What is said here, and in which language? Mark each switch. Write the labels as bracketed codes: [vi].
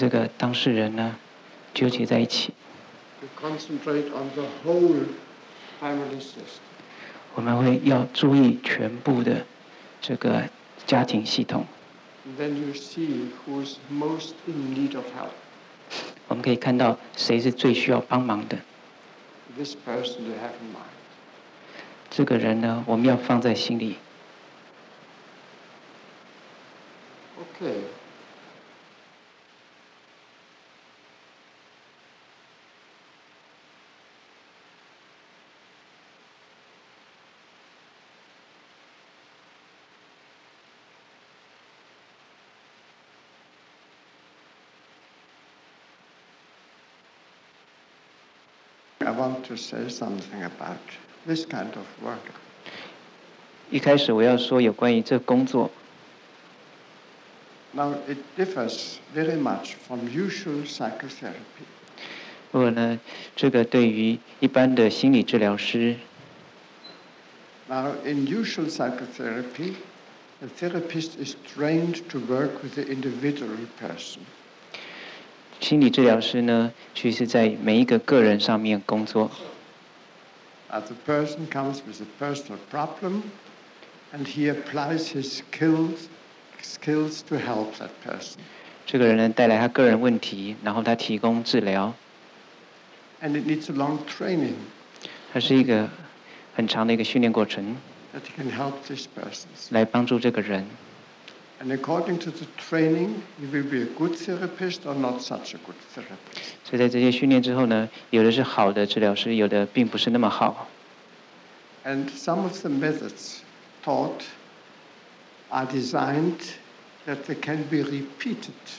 [zh] 不要呢跟这个当事人呢纠结在一起 [en] to concentrate on the whole family system [zh] 我们会要注意全部的这个 家庭系统 [en] Then you see who's most in need of help. [zh] 我们可以看到谁是最需要帮忙的 [en] This person to have in mind. [zh] 这个人呢, 我们要放在心里 [en] Okay. I want to say something about this kind of work. [zh] 一开始我要说有关于这工作。 [en] Now it differs very much from usual psychotherapy. [zh] 不过呢，这个对于一般的心理治疗师。 [en] Now in usual psychotherapy, the therapist is trained to work with the individual person. [zh] 心理治疗师呢，其实在每一个个人上面工作。 [en] As the person comes with a personal problem, and he applies his skills to help that person. [zh] 这个人呢，带来他个人问题，然后他提供治疗。 [en] And it needs a long training. [zh] 它是一个很长的一个训练过程。 [en] That he can help this person. [zh] 来帮助这个人。 [en] And according to the training, you will be a good therapist or not such a good therapist. [zh] 所以在这些训练之后呢，有的是好的治疗师，有的并不是那么好。 [en] And some of the methods taught are designed that they can be repeated.